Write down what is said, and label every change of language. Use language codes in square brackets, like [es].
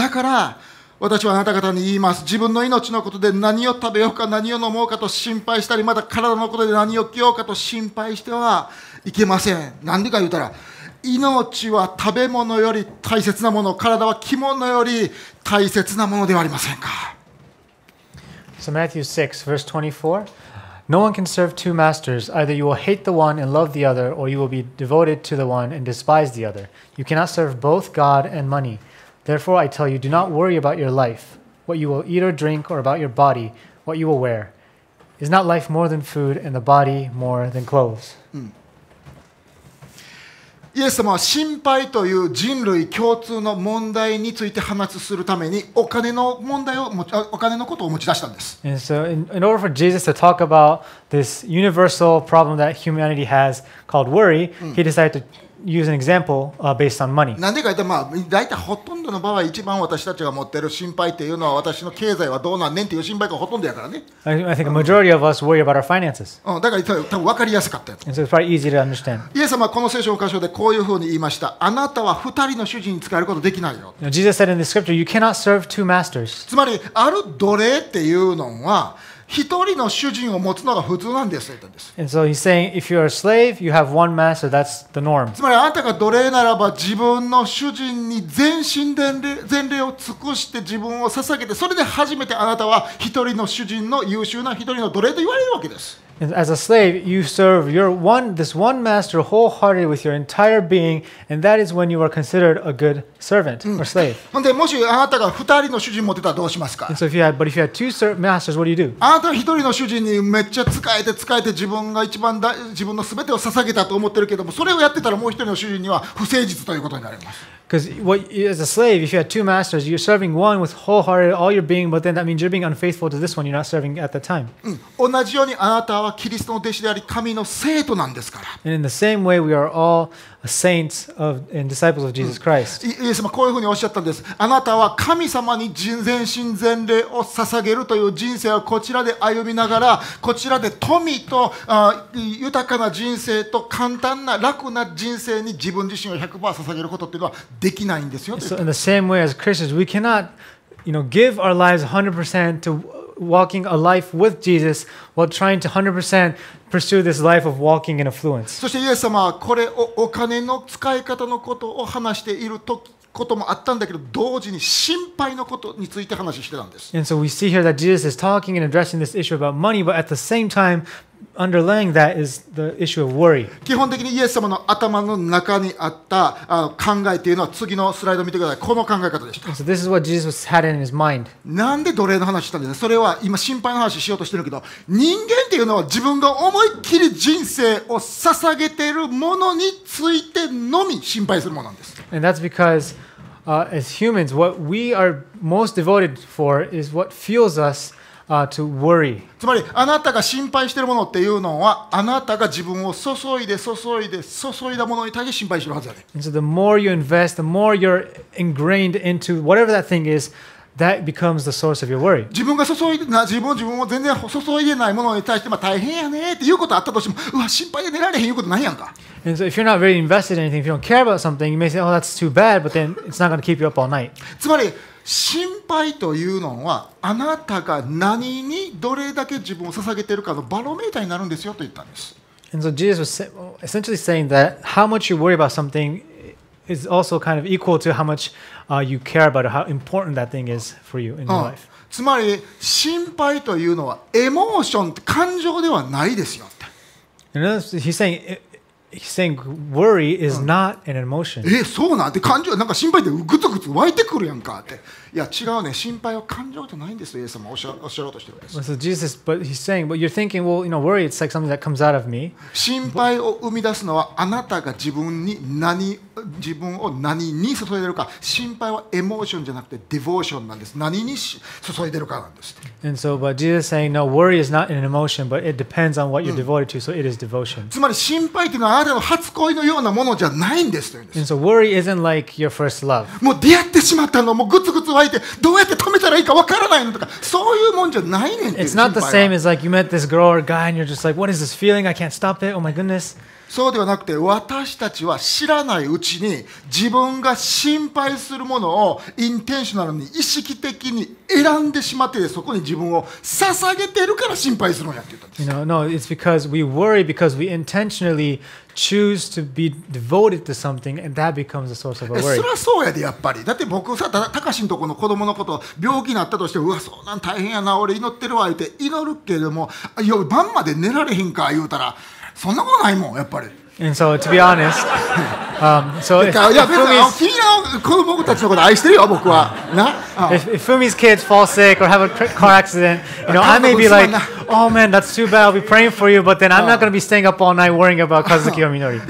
[ja] だから私はあなた方に言います、自分の命のことで何を食べようか何を飲もうかと心配したり、また体のことで何を着ようかと心配してはいけません。何でか言うたら、命は食べ物より大切なもの、体は着物より大切なものではありませんか。 [en] So Matthew 6 verse 24, No one can serve two masters. Either you will hate the one and love the other, or you will be devoted to the one and despise the other. You cannot serve both God and money. Therefore, I tell you, do not worry about your life, what you will eat or drink, or about your body, what you will wear. Is not life more than food, and the body more than clothes?、 [ja] イエス様は心配という人類共通の問題について話するためにお金の問題を、お金のことを持ち出したんです。 [en] And so, in order for Jesus to talk about this universal problem that humanity has called worry,、he decided toUse an example, based on money. [ja] なんでか言ったら、まあ、大体ほとんどの場合一番私たちが持ってる心配っていうのは私の経済はどうなんねんっていう心配がほとんどやからね。 [en] I think a majority of us worry about our finances. [ja] だから多分分かりやすかったやつ。 [en] And so it's probably easy to understand. [ja] イエス様はこの聖書の箇所でこういうふうに言いました。あなたは二人の主人に使えることできないよ。 [en] Now, Jesus said in the scripture, you cannot serve two masters. [ja] つまりある奴隷っていうのは一人の主人を持つのが普通なんですと言ったんです。 [en] And so he's saying, if you're a slave, you have one master, that's the norm. [ja] つまりあなたが奴隷ならば自分の主人に全身全霊を尽くして自分を捧げて、それで初めてあなたは一人の主人の優秀な一人の奴隷と言われるわけです。 [en] And as a slave, you serve your one, this one master wholeheartedly with your entire being, and that is when you are considered a good servant or slave. [ja] で、もしあなたが二人の主人持ってたらどうしますか？ [en] And so if you had two masters, what do you do? [ja] あなたは一人の主人にめっちゃ仕えて仕えて自分が一番自分の全てを捧げたと思ってるけども、それをやってたらもう一人の主人には不誠実ということになります。 [en] Because as a slave, if you had two masters, you're serving one with wholehearted all your being, but then that means you're being unfaithful to this one. You're not serving at the time. [ja] 同じようにあなたはキリストの弟子であり神の生徒なんですから。 [en] And in the same way, we are all saints of and disciples of Jesus Christ. [ja] イエス様こういうふうにおっしゃったんです。あなたは神様に全身全霊を捧げるという人生をこちらで歩みながら、こちらで富と豊かな人生と簡単な楽な人生に自分自身を 100% 捧げることっていうのは。できないんですよ。 [en] So in the same way as Christians, we cannot, you know, give our lives 100% to walking a life with Jesus while trying to 100% pursue this life of walking in affluence. [ja] そしてイエス様はこれをお金の使い方のことを話しているときこともあったんだけど、同時に心配のことについて話してたんです。 [en] And so we see here that Jesus is talking and addressing this issue about money, but at the same time, underlying that is the issue of worry. [ja] 基本的にイエス様の頭の中にあった考えというのは、次のスライド見てください。この考え方でした。 [en] So this is what Jesus had in his mind. [ja] なんで奴隷の話したんですか？それは今心配の話しようとしてるけど、人間っていうのは自分が思いっきり人生を捧げているものについてのみ心配するものなんです。 [en] And that's because As humans, what we are most devoted for is what fuels us to worry. [ja] つまりあなたが心配しているものっていうのはあなたが自分を注いで注いで注いだものに対して心配しているはずだね。 [en] And so the more you invest, the more you're ingrained into whatever that thing is. That becomes the source of your worry. [ja] 自分が注いでな自分を自分を全然注いでないものに対して、まあ、大変やねっていうことあったとしても、うわ心配で寝られへんいうことないやんか。 [en] And so if you're not very invested in anything, if you don't care about something, you may say, oh, that's too bad, but then it's not going to keep you up all night. [ja] つまり心配というのはあなたが何にどれだけ自分を捧げているかのバロメーターになるんですよと言ったんです。 [en] And so Jesus was essentially saying that how much you worry about something. Is also kind of equal to how much you care about how important that thing is for you in your life. [ja] つまり心配というのはエモーション感情ではないですよって。 [en] And he's saying worry is not an emotion. [ja] そうなんて感情なんか心配でグツグツ湧いてくるやんかって。いや違うね心配は感情じゃないんですよイエス様おっしゃろうとしてるんです。 [en] So Jesus, but he's saying, but you're thinking, well, you know, worry, it's like something that comes out of me. [ja] 心配を生み出すのはあなたが自分を何に注いでるか。心配はエモーションじゃなくてデボーションなんです。何に注いでるかなんです。 [en] And so, but Jesus is saying, no, worry is not an emotion, but it depends on what you're devoted to, so it is devotion. [ja] つまり心配というのはあなたの初恋のようなものじゃないんですと言うんです。 [en] And so worry isn't like your first love. [ja] もう出会ってしまったのもうグツグツどうやって止めたらいいかわからないのとかそういうもんじゃないねんって。 [en] It's not the same as like you met this girl or guy and you're just like, what is this feeling? I can't stop it. Oh my goodness. [ja] そうではなくて私たちは知らないうちに自分が心配するものをインテンショナルに意識的に選んでしまってそこに自分を捧げてるから心配するんやって言ったんです。 [en] You know, no, it's because we worry because we intentionally choose to be devoted to something and that becomes the source of a worry. [ja] それはそうやでやっぱり。だって僕さ、たかしんとこの子供のこと病気になったとして、うわ、そんなん大変やな、俺祈ってるわ、言って祈るけれども、夜晩まで寝られへんか、言うたら、そんなことないもん、やっぱり。 [en] And so, to be honest, if Fumi's kids fall sick or have a car accident, you know, I may be like, oh man, that's too bad. I'll be praying for you, but then I'm not going to be staying up all night worrying about Kazuki or Minori.